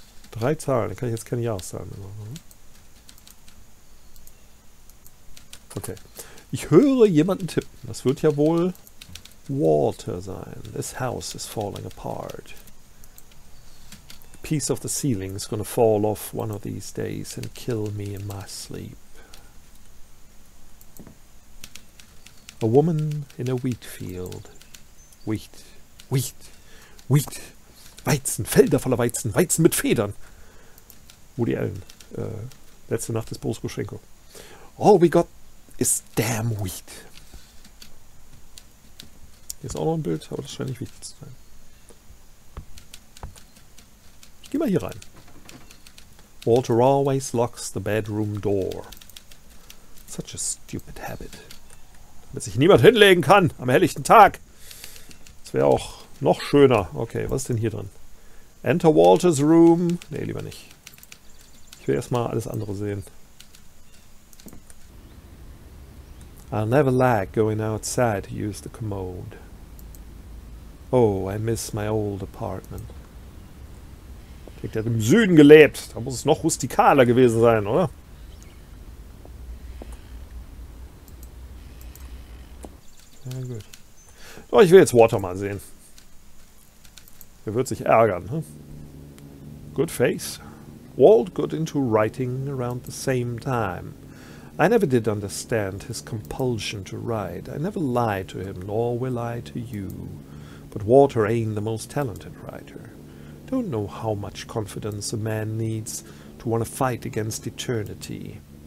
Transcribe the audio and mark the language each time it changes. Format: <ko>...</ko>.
<de>Drei Zahlen, da kann ich jetzt keine Jahreszahlen mehr machen. Okay. Ich höre jemanden tippen. Das wird ja wohl Walter sein.</de> <en>This house is falling apart. A piece of the ceiling is gonna fall off one of these days and kill me in my sleep. A woman in a wheat field. Wheat. Wheat. Wheat.</en> <de>Weizen. Felder voller Weizen. Weizen mit Federn.</de> <en>Woody Allen.</en> <de>Letzte Nacht des</de> <en>Boris Groschenko. All we got is damn wheat.</en> <de>Hier ist auch noch ein Bild, aber das scheint nicht wichtig zu sein. Ich gehe mal hier rein.</de> <en>Walter always locks the bedroom door. Such a stupid habit.</en> <de>Damit sich niemand hinlegen kann am helllichten Tag. Das wäre auch noch schöner. Okay, was ist denn hier drin?</de> <en>Enter Walters room.</en> <de>Nee, lieber nicht. Ich will erstmal alles andere sehen.</de> <en>I'll never like going outside to use the commode. Oh, I miss my old apartment.</en> <de>Der hat im Süden gelebt. Da muss es noch rustikaler gewesen sein, oder? Ja, gut. Doch, ich will jetzt Walter mal sehen. Er wird sich ärgern. Hm?</de> <en>Good face. Walt got into writing around the same time. I never did understand his compulsion to write. I never lied to him, nor will I to you. But Walter ain't the most talented writer. Don't know how much confidence a man needs to want to fight against eternity.</en>